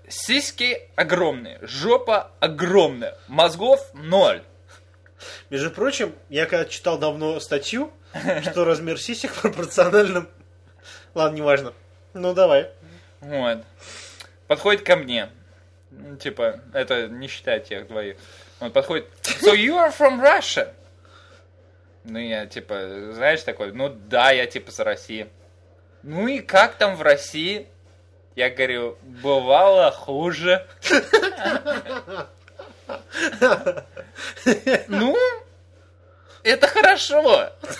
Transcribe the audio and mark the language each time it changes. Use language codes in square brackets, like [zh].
[ru] Сиськи огромные, жопа огромная, мозгов ноль. Между прочим, я когда читал давно статью, что размер сисек пропорциональным. Ладно, неважно. Ну давай. Вот. Подходит ко мне. Типа, это не считая тех двоих. Он подходит, [en] so you are from Russia? [ru] Ну, я, типа, знаешь, такой, ну, да, я, типа, с России. Ну, и как там в России? Я говорю, бывало хуже. Ну, это хорошо.